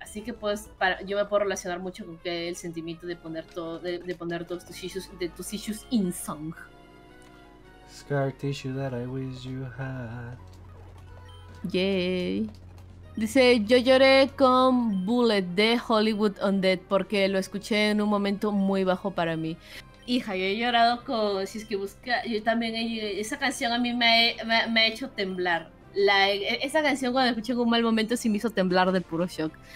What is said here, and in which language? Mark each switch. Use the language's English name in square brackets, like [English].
[Spanish] Así que pues, yo me puedo relacionar mucho con el sentimiento de poner todo, de poner todos tus [English] issues in song. Scar tissue that I wish you had. Yay. [Spanish] Dice, yo lloré con Bullet de Hollywood Undead porque lo escuché en un momento muy bajo para mí. Hija, yo he llorado con, si es que busca, yo también, esa canción a mí me ha hecho temblar. Esa canción cuando escuché en un mal momento sí me hizo temblar de puro shock.